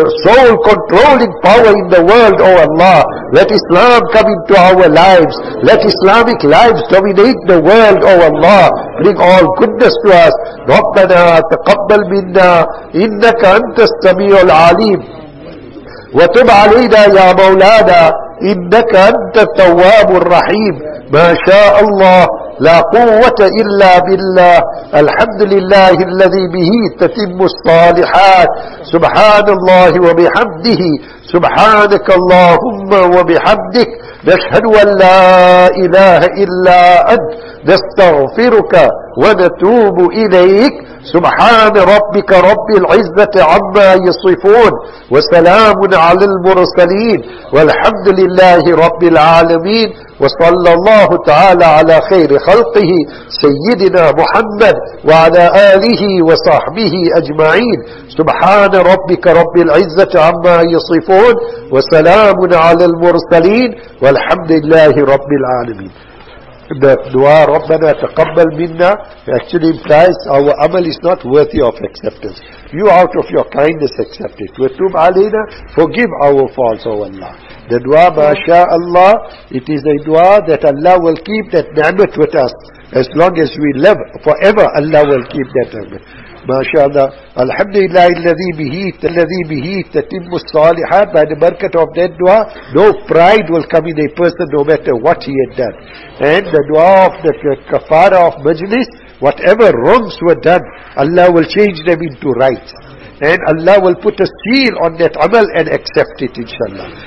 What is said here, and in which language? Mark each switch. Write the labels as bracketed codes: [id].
[en] sole controlling power in the world, oh Allah, let Islam come into our lives, let Islamic lives dominate the world, oh Allah, bring all goodness to us, [ar] Rabbana taqabbal minna, innaka antas samiul alim, wa tub alayna ya maulana, innaka antas tawwabur rahim, ما شاء الله لا قوة إلا بالله الحمد لله الذي به تتم الصالحات سبحان الله وبحمده سبحانك اللهم وبحمدك نشهد أن لا إله إلا أنت نستغفرك ونتوب إليك سبحان ربك رب العزة عما يصفون وسلام على المرسلين والحمد لله رب العالمين وصلى الله تعالى على خير خلقه سيدنا محمد وعلى آله وصحبه أجمعين سبحان ربك رب العزة عما يصفون وسلام على المرسلين والحمد لله رب العالمين. [en] The dua, [ar] Rabbana taqabbal minna, [en] actually implies our amal is not worthy of acceptance. You out of your kindness accept it. [ar] Watub alayna, [en] forgive our faults, O Allah. The dua, Masha Allah, it is a dua that Allah will keep that ni'mat with us. As long as we live forever, Allah will keep that ni'mat. [ar] MashaAllah, Alhamdulillah, الَّذِي بِهِ تَتِمُّ الصَّالِحَاتِ. [en] By the barakat of that dua, no pride will come in a person no matter what he had done. And the dua of the kafara of majlis, whatever wrongs were done, Allah will change them into right. And Allah will put a seal on that amal and accept it, inshallah.